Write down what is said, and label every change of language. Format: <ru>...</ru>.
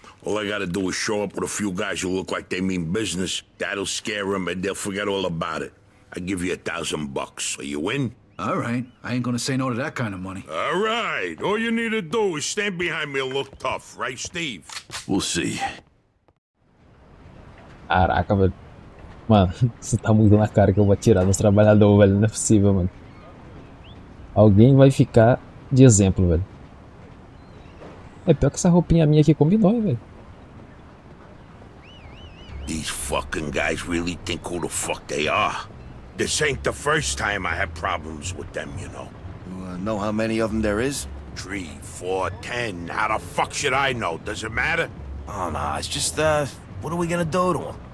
<en>All I gotta do is show up with a few guys who look like they mean business. That'll scare them, and they'll forget all about it. I give you $1,000. Are you in? All right. I ain't gonna say no to that kind of money. All right. All you need to do is stand behind me and look tough, right, Steve? We'll see.</en> <pt>Caraca, velho. Mano, você tá muito na cara que eu vou atirar nos trabalhadores, velho. Não é possível, mano. Alguém vai ficar de exemplo, velho. É pior que essa roupinha minha aqui combinou, velho.</pt> <en>These fucking guys really think who the fuck they are. This ain't the first time I had problems with them, you know. You know how many of them there is? 3, 4, 10. How the fuck should I know? Does it matter? Oh, no, it's just, what are we gonna do to them?</en>